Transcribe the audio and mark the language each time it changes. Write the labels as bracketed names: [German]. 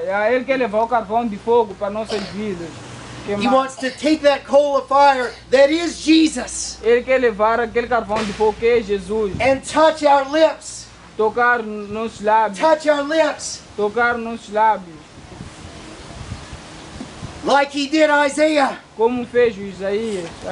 [Portuguese] Ele quer levar o carvão de fogo para nossas vidas. [English] He wants to take that coal of fire that is Jesus. [Portuguese] Ele quer levar aquele carvão de fogo que é Jesus. [English] And touch our lips. [Portuguese] Tocar nos lábios. [English] Touch our lips. [Portuguese] Tocar nos lábios. [English] Like he did Isaiah. [Portuguese] Como fez Isaías.